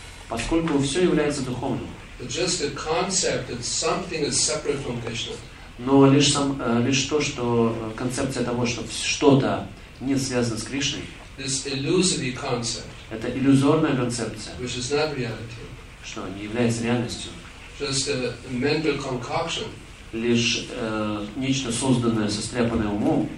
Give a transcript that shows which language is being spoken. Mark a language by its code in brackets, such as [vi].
[ru] Поскольку все является духовным. [en] But just the concept that something is separate from Krishna. [ru] Но лишь то, что концепция того, что что-то не связано с Кришной. [en] This illusory concept. [ru] Это иллюзорная концепция. [en] Which is not reality. [ru] Что не является реальностью. [en] Just a mental concoction. [ru] Лишь нечто созданное, состряпанное умом.